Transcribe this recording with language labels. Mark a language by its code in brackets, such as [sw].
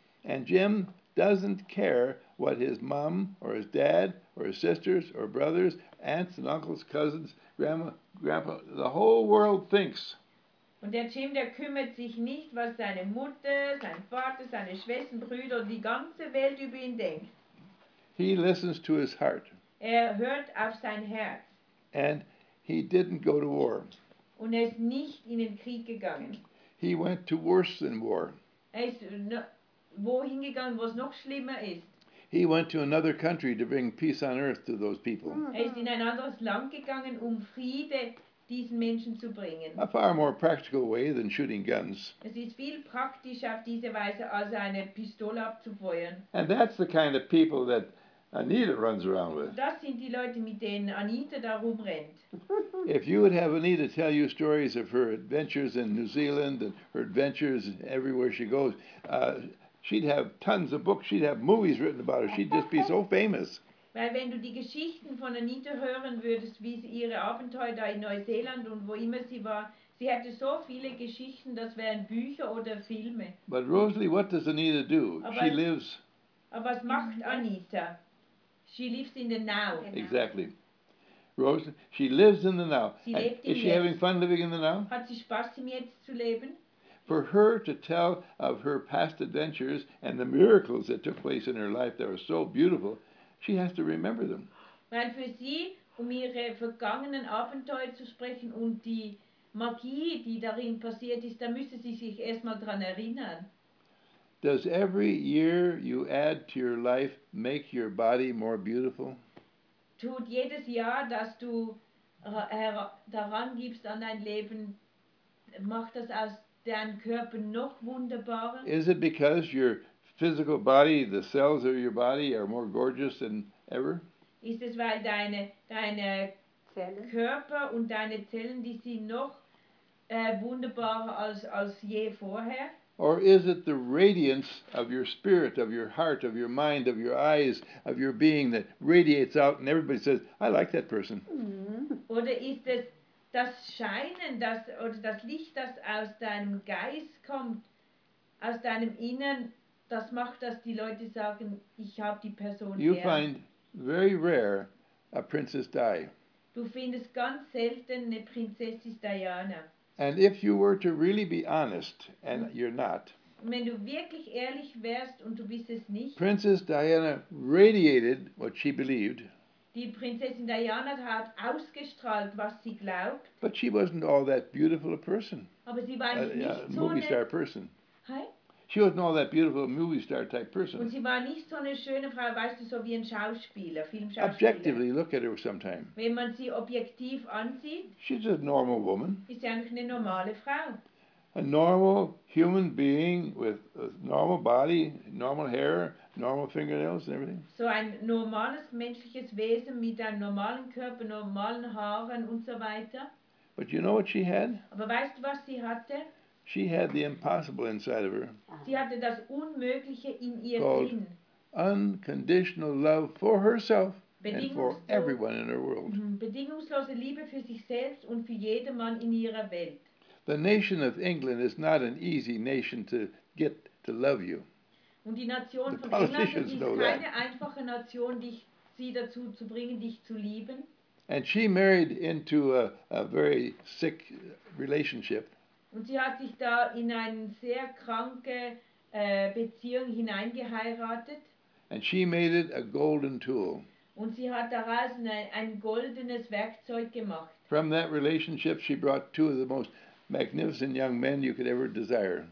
[en] And Jim doesn't care what his mom or his dad or his sisters or brothers, aunts and uncles, cousins, grandma, grandpa, the whole world thinks. [de] Und der Jim, der kümmert sich nicht, was seine Mutter, sein Vater, seine Schwestern, Brüder, die ganze Welt über ihn denkt. [en] He listens to his heart. [de] Er hört auf sein Herz. [en] And he didn't go to war. [de] Und er ist nicht in den Krieg gegangen. [en] He went to worse than war. [de] Wohin gegangen, was noch schlimmer ist. [en] He went to another country to bring peace on earth to those people. [de] Er ist in ein anderes Land gegangen, um Friede diesen Menschen zu bringen. [en] A far more practical way than shooting guns. [de] Es ist viel praktischer auf diese Weise, als eine Pistole abzufeuern. [en] And that's the kind of people that Anita runs around with. [de] Das sind die Leute, mit denen Anita da rumrennt. [en] If you would have Anita tell you stories of her adventures in New Zealand and her adventures everywhere she goes, she'd have tons of books. She'd have movies written about her. She'd just be so famous. [de] Weil wenn du die Geschichten von Anita hören würdest, wie sie ihre Abenteuer da in Neuseeland und wo immer sie war, sie hätte so viele Geschichten, das wären Bücher oder Filme. [en] But Rosalie, what does Anita do? She lives. [de] Aber was macht Anita? [en] She lives in the now. Exactly. Rosalie, she lives in the now. [de] Sie lebt [en] is she [de] jetzt. [en] Having fun living in the now? [de] Hat sie Spaß, im Jetzt zu leben? [en] For her to tell of her past adventures and the miracles that took place in her life that were so beautiful, she has to remember them. [de] Weil für sie, um ihre vergangenen Abenteuer zu sprechen und die Magie, die darin passiert ist, da müsste sie sich erstmal dran erinnern. [en] Does every year you add to your life make your body more beautiful? [de] Tut jedes Jahr, dass du daran gibst an dein Leben, macht das aus deinen Körper noch wunderbarer? [en] Is it because your physical body, the cells of your body are more gorgeous than ever? [de] Ist es, weil deine Zellen. Körper und deine Zellen, die sind noch wunderbarer als je vorher? [en] Or is it the radiance of your spirit, of your heart, of your mind, of your eyes, of your being that radiates out and everybody says, I like that person? Mm-hmm. [de] Oder ist es das Scheinen, das oder das Licht, das aus deinem Geist kommt, aus deinem Innern, das macht, dass die Leute sagen, ich habe die Person gern. [en] You find very rare a Princess Di. [de] Du findest ganz selten eine Prinzessin Diana. [en] And if you were to really be honest, and you're not. [de] Wenn du wirklich ehrlich wärst und du bist es nicht. [en] Princess Diana radiated what she believed. [de] Die Prinzessin Diana hat ausgestrahlt, was sie glaubt. [en] But she wasn't all that beautiful a person. [de] Aber sie war nicht so eine [en] movie star person. Hi? She wasn't all that beautiful a movie star type person. [de] Und sie war nicht so eine schöne Frau, weißt du, so wie ein Schauspieler, Filmschauspieler. [en] Objectively, look at her sometime. [de] Wenn man sie objektiv ansieht. [en] She's a normal woman. [de] Ist sie eigentlich eine normale Frau. [en] A normal human being with a normal body, normal hair, normal fingernails and everything. [de] So ein normales menschliches Wesen mit einem normalen Körper, normalen Haaren und so weiter. [en] But you know what she had? [de] Aber weißt du, was sie hatte? [en] She had the impossible inside of her. [de] Sie hatte das Unmögliche in ihr drin. [en] unconditional love for herself and for everyone in her world. [de] Bedingungslose Liebe für sich selbst und für jedermann in ihrer Welt. [en] The nation of England is not an easy nation to get to love you. [de] Und die Nation von politicians England ist keine einfache Nation, dich sie dazu zu bringen, dich zu lieben. [en] And she married into a very sick relationship. [de] Und sie hat sich da in eine sehr kranke Beziehung hineingeheiratet. [en] And she made it a golden tool. [de] Und sie hat daraus ein goldenes Werkzeug gemacht. [en] From that relationship she brought two of the most magnificent young men you could ever desire.